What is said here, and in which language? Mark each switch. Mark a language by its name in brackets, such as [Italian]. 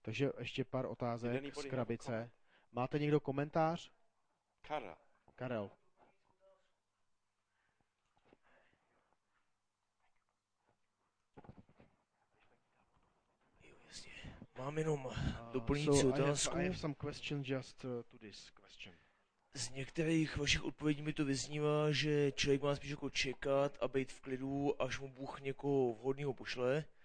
[Czech] Takže ještě pár otázek z krabice. Máte někdo komentář? Karel. Mám jenom doplňující otázku. [English] I have some question just to this question. [Czech] Z některých vašich odpovědí mi to vyznívá, že člověk má spíš jako čekat a být v klidu, až mu Bůh někoho vhodného pošle.